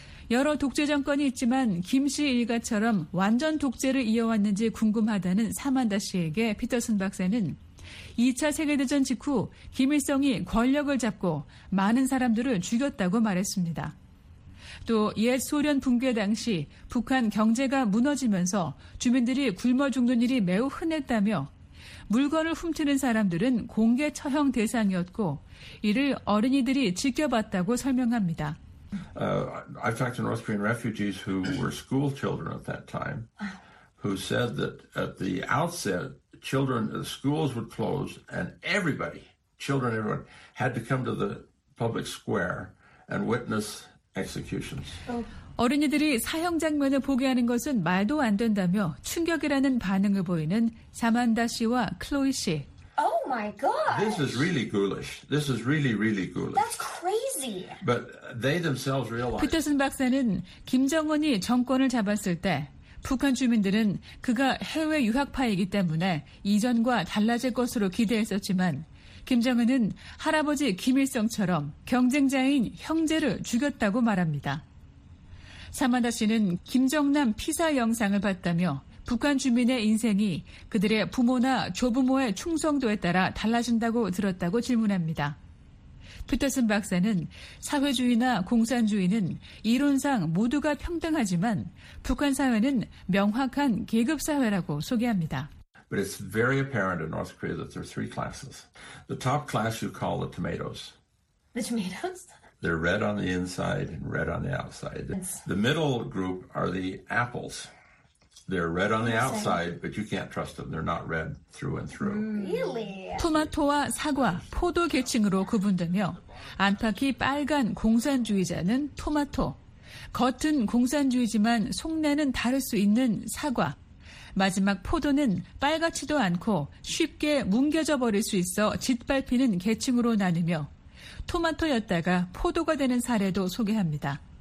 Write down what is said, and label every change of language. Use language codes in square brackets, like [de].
[ko] 여러 독재 정권이 있지만 김씨 일가처럼 완전 독재를 이어왔는지 궁금하다는 사만다 씨에게 피터슨 박사는 2차 세계대전 직후 김일성이 권력을 잡고 많은 사람들을 죽였다고 말했습니다. 또 옛 소련 붕괴 당시 북한 경제가 무너지면서 주민들이 굶어 죽는 일이 매우 흔했다며 물건을 훔치는 사람들은 공개 처형 대상이었고 이를 어린이들이 지켜봤다고 설명합니다. [en] I've talked to North Korean refugees who were school children at that time who said that at the outset children the schools would close and everybody children everyone had to come to the public square and witness executions. [ko] 어린이들이 사형 장면을 보게 하는 것은 말도 안 된다며 충격이라는 반응을 보이는 사만다 씨와 클로이 씨. [en] Oh my god. This is really ghoulish. This is really really ghoulish. That's crazy. But they themselves realized. [ko] 피터슨 박사는 김정은이 정권을 잡았을 때 북한 주민들은 그가 해외 유학파이기 때문에 이전과 달라질 것으로 기대했었지만 김정은은 할아버지 김일성처럼 경쟁자인 형제를 죽였다고 말합니다. 사만다 씨는 김정남 피사 영상을 봤다며 북한 주민의 인생이 그들의 부모나 조부모의 충성도에 따라 달라진다고 들었다고 질문합니다. 피터슨 박사는 사회주의나 공산주의는 이론상 모두가 평등하지만 북한 사회는 명확한 계급사회라고 소개합니다. [en] But it's very apparent in North Korea that there are three classes. The top class you call the tomatoes. The tomatoes? They're red on the inside and red on the outside. The middle group are the apples. They're red on the outside, but you can't trust them. They're not red through and through. Really? [ko] 토마토와 사과, 포도 계층으로 구분되며 안팎이 빨간 공산주의자는 토마토, 겉은 공산주의지만 속내는 다를 수 있는 사과, 마지막 포도는 빨갛지도 않고 쉽게 뭉겨져 버릴 수 있어 짓밟히는 계층으로 나누며 토마토였다가 포도가 되는 사례도 소개합니다.